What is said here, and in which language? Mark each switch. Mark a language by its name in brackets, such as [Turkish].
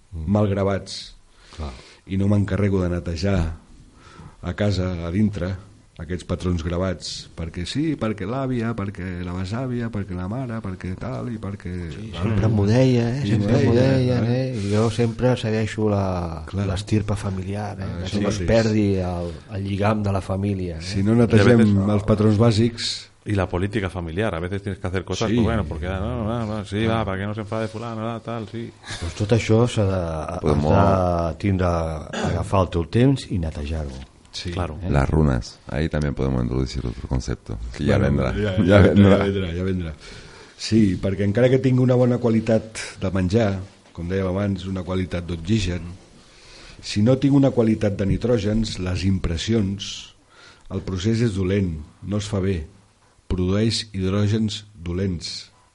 [Catalan] Mal gravats, clar, i no m'encarrego de netejar a casa, a dintre, aquests patrons gravats, perquè sí, perquè l'àvia, perquè la besàvia, perquè la mare, perquè tal, i perquè... Sí, clar, sempre m'ho deia, eh? Sempre m'ho deia, eh? Jo sempre segueixo l'estirpa familiar, eh? Que no es perdi el lligam de la família. Eh? Si no netegem els patrons bàsics... [Spanish] Y la política familiar, a veces tienes que hacer cosas, sí, bueno, porque va, para que no se enfade fulano, tal, sí. [Catalan] Pues tot això s'ha de, podemos... has de tindre, agafar el teu temps i netejar-ho. [Spanish] Sí, claro. Las runas, ahí también podemos introducir otro concepto, que ya, bueno, vendrá. Ya vendrá. [Catalan] Sí, perquè encara que tingui una bona qualitat de menjar, com dèiem abans, una qualitat d'oxigen, si no tinc una qualitat de nitrògens, les impressions, el procés és dolent, no es fa bé, produeix hidrògens dolents.